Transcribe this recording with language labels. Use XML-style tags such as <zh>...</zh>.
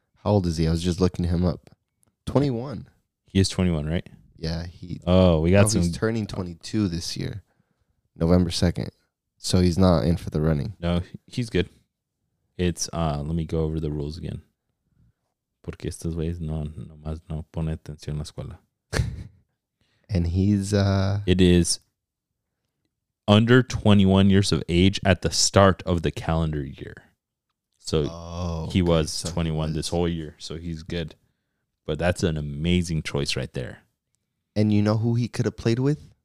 <en>How old is he? I was just looking him up. 21. He is 21, right? Yeah. He's turning 22 this year, November 2nd. So he's not in for the running. No, he's good. It's let me go over the rules again.</en> <es>Porque estas veces no más no pone atención a la escuela.</es> <en>And he's... It is... under 21 years of age at the start of the calendar year. So he was 21 this whole year. So he's good. But that's an amazing choice right there. And you know who he could have played with?</en>